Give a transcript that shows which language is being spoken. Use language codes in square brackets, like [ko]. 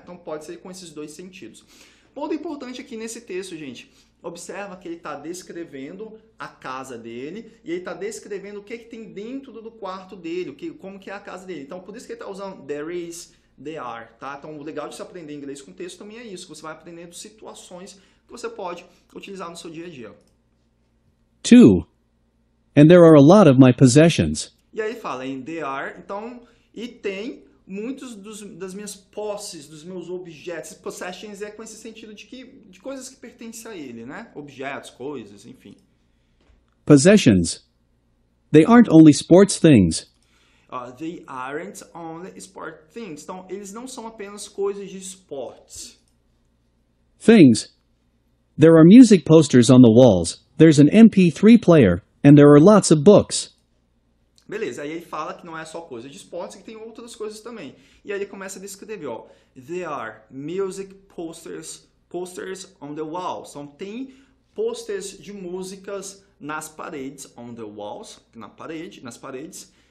[pt] Então pode ser com esses dois sentidos. Ponto importante aqui nesse texto, gente, observa que ele está descrevendo a casa dele e ele está descrevendo o que, que tem dentro do quarto dele, como que é a casa dele. Então por isso que ele está usando there is, there are, tá? Então o legal de se aprender inglês com texto também é isso, você vai aprendendo situações que você pode utilizar no seu dia a dia. [en] Two. And there are a lot of my possessions. [pt] E aí fala em there are, então, e tem muitos das minhas posses, dos meus objetos. Possessions é com esse sentido de coisas que pertencem a ele, né? Objetos, coisas, enfim. [en] Possessions. They aren't only sports things. They aren't only sport things. [pt] Então, eles não são apenas coisas de esportes. [en] Things. There are music posters on the walls, there's an MP3 player, and there are lots of books. [pt] Beleza, aí ele fala que não é só coisa de esportes, que tem outras coisas também. E aí ele começa a descrever, ó. [en] There are music posters on the walls. [pt] Então tem posters de músicas nas paredes, [en] on the walls, [pt] na parede, nas paredes.